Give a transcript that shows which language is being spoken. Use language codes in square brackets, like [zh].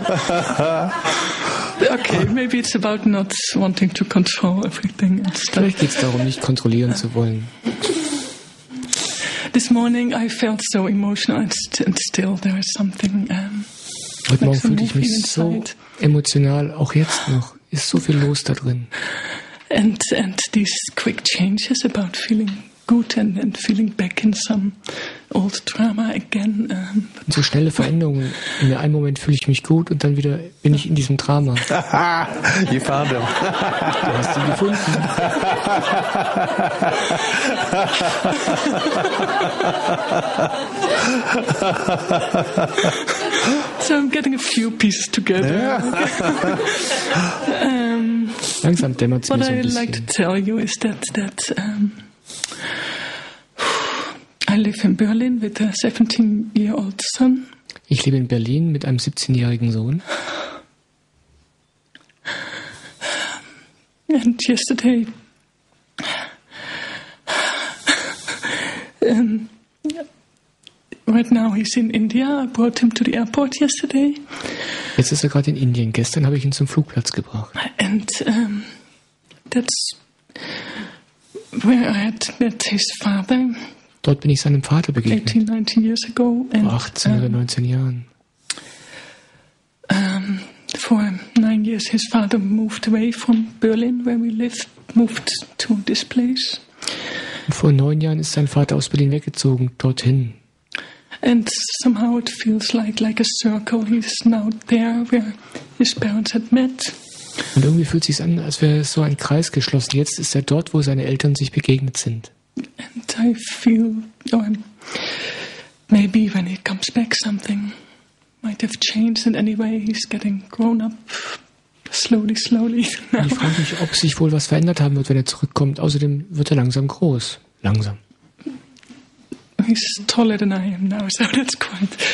[en] Okay, maybe it's about not wanting to control everything and stuff. [de] Vielleicht geht's darum, nicht kontrollieren zu wollen. [en] This morning I felt so emotional and still there is something. [de] Heute Morgen fühlte ich mich so emotional, auch jetzt noch. Ist so viel los da drin. [en] And these quick changes about feeling good and feeling back in some old drama again. [de] Und so schnelle Veränderungen. In einem Moment fühle ich mich gut und dann wieder bin ich in diesem Drama. [en] You found him. [de] Du hast ihn gefunden. [en] So I'm getting a few pieces together. Yeah. [de] Langsam dämmert es mir so ein bisschen. [en] What I like to tell you is that I live in Berlin with a 17-year-old son. [de] Ich lebe in Berlin mit einem 17-jährigen Sohn. [en] And yesterday, right now he's in India. I brought him to the airport yesterday. [de] Jetzt ist er gerade in Indien. Gestern habe ich ihn zum Flugplatz gebracht. [en] And that's where I had met his father. [de] Dort bin ich seinem Vater begegnet. [en] 18, 19 years ago. [de] And, vor 18 oder 19 Jahren. [en] For 9 years his father moved away from Berlin, where we lived, moved to this place. [de] Und vor 9 Jahren ist sein Vater aus Berlin weggezogen, dorthin. [en] And somehow it feels like a circle. He's now there, where his parents had met. [de] Und irgendwie fühlt sich's an, als wäre so ein Kreis geschlossen. Jetzt ist er dort, wo seine Eltern sich begegnet sind. [en] And I feel, maybe when he comes back, something might have changed. And anyway, he's getting grown up slowly, slowly. Now. [de] Ich frage mich, ob sich wohl was verändert haben wird, wenn er zurückkommt. Außerdem wird er langsam groß. Langsam. [en] He's taller than I am now, so that's quite.